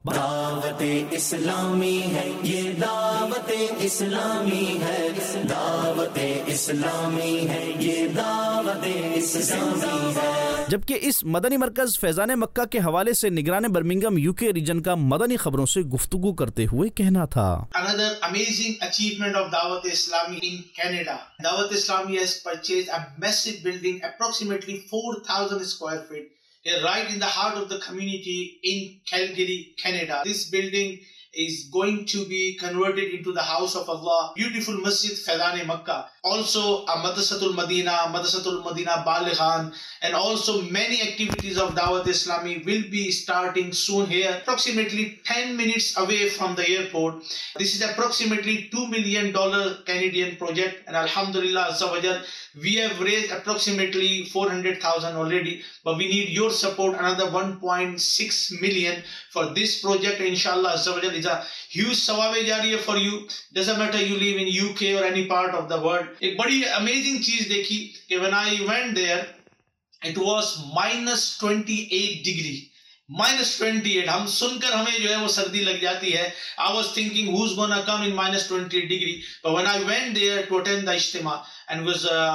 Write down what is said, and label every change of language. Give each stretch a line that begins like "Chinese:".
Urdu: دعوت اسلامی ہے، یہ دعوت اسلامی ہے، دعوت اسلامی ہے، یہ دعوت اسلامی ہے۔ جبکہ اس مدنی مرکز فیضان مکہ کے حوالے سے نگران برمنگھم یو کے ریجن کا مدنی خبروں سے گفتگو کرتے ہوئے کہنا تھا۔
English: Another amazing achievement of Dawat Islami in Canada. Dawat Islami has purchased a massive building, approximately 4,000 square feet, right in the heart of the community in Calgary, Canada. This building is going to be converted into the house of Allah, beautiful Masjid Faizan-e-Makkah. Also, a Madrasatul Madina Balighan, and also many activities of Dawat Islami will be starting soon here, approximately 10 minutes away from the airport. This is approximately $2 million Canadian project, and Alhamdulillah Azza wa Jal, we have raised approximately 400,000 already, but we need your support, another 1.6 million for this project. Inshallah Azza wa Jal, is a huge sawab e jariye for you. Doesn't matter you live in UK or any part of the world.
Urdu: ایک بڑی amazing چیز دیکھی کہ
English: when I went there it was -28 degrees -28,
Urdu: ہم سن کر ہمیں جو ہے وہ سردی لگ جاتی ہے۔
English: I was thinking who's gonna come in -28 degrees, but when I went there to attend the اجتماع and was